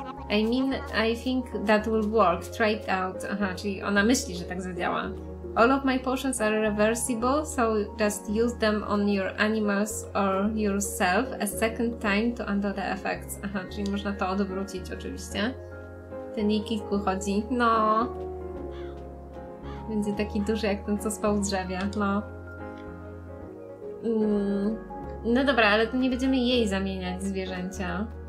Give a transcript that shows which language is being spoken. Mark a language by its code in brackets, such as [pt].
[en] I mean, I think that will work. Try it out. [pl] Aha, czyli ona myśli, że tak zadziała. [en] All of my potions are reversible, so just use them on your animals or yourself a second time to undo the effects. [pl] Aha, czyli można to odwrócić oczywiście. Ten Nikitku chodzi. No. Będzie taki duży jak ten, co spał w drzewie. No. No dobra, ale to nie będziemy jej zamieniać zwierzęcia.